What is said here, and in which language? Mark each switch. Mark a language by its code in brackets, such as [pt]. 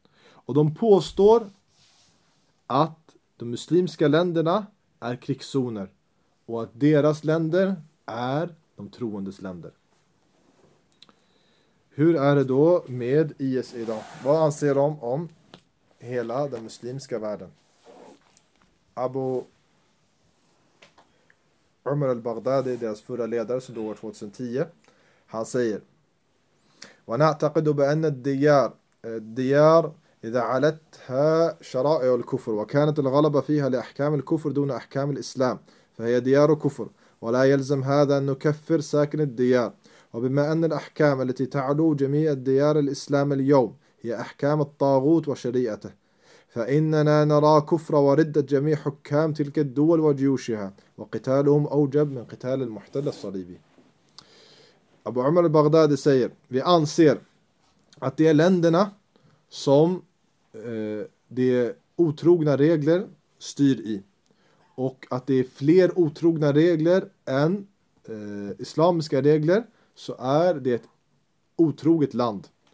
[sv] Och de påstår att de muslimska länderna är krigszoner och att deras länder är de troendes länder. Hur är det då med IS idag? Vad anser de om hela den muslimska världen? Abu Umar al-Baghdadi, deras förra ledare som dog år 2010, han säger: [ar] وَنَعْتَقِدُ بَأَنَّ الدِّيَارِ إِذَا عَلَتْهَا شَرَائِعُ الْكُفْرِ وَكَانَتْ الْغَلَبَ فِيهَا لِأَحْكَامِ الْكُفْرِ دُونَ أَحْكَامِ الْإِسْلَامِ فَهِيَ دِيَارُ كُفْرِ وَلَا يَلْزَمْ هَذَا أَنْ نُكَفِّرْ سَاكِنِ الدِّيَارِ وبما أن الأحكام التي تعلو جميع الديار الإسلام اليوم هي أحكام الطاغوت وشريعته فإننا نرى كفر وردة جميع حكام تلك الدول وجيوشها وقتالهم أوجب من قتال المحتل الصليبي. أبو عمر البغداد سير في أنصير [sv] att det är länderna som det är otrogna regler styr i, och att det är fler otrogna regler än islamiska regler, så är det ett otroget land.